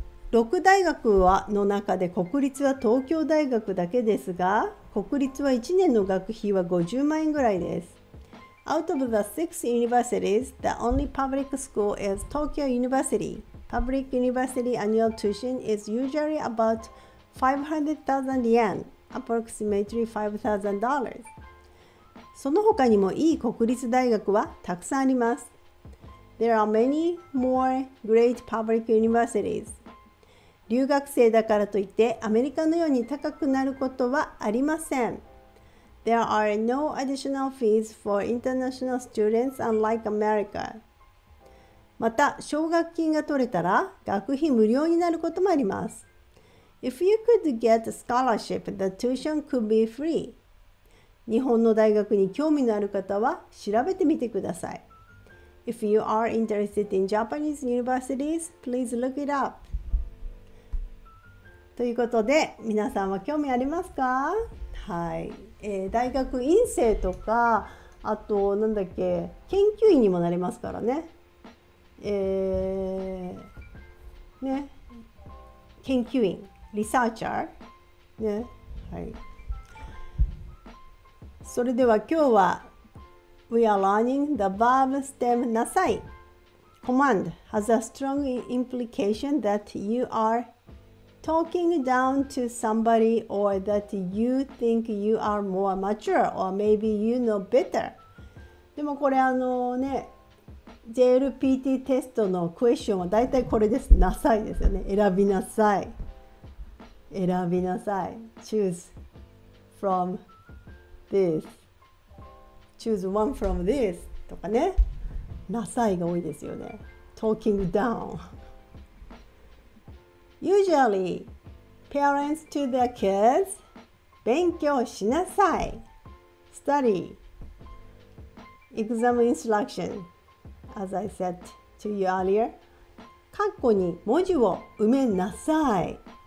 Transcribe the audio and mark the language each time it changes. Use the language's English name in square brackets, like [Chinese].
[Japanese] 6大学はの中で国立は東京大学だけですが、国立は1年の学費は50万円ぐらいです。 [English] Out of the six universities, the only public school is Tokyo University. Public university annual tuition is usually about 500,000 yen, approximately $5,000. [Japanese] その他にもいい国立大学はたくさんあります。 [English] There are many more great public universities. [Japanese] 留学生だからといってアメリカのように高くなることはありません。 [English] There are no additional fees for international students unlike America. [Japanese] また、奨学金が取れたら学費無料になることもあります。 [English] If you could get a scholarship, the tuition could be free. [Japanese] 日本の大学に興味のある方は調べてみてください。 [English] If you are interested in Japanese universities, please look it up. [Japanese] ということで、皆さんは興味ありますか？はい、大学院生とか、あと何だっけ、研究員にもなりますからね。ね、研究員、リサーチャー、ね、はい。それでは今日は、 [English] We are learning the verb stem なさい。 Command has a strong implication that you areTalking down to somebody or that you think you are more mature or maybe you know better. [Japanese] でもこれあのね、JLPT テストのクエスチョンはだいたいこれです。なさいですよね。選びなさい。選びなさい。 [English] Choose from this. Choose one from this. [Japanese] とかね。なさいが多いですよね。 [English] Talking down. Usually, parents to their kids, [Japanese] 勉強しなさい。 [English] Study. Exam instruction, as I said to you earlier. [Japanese] カッコに文字を埋めなさい。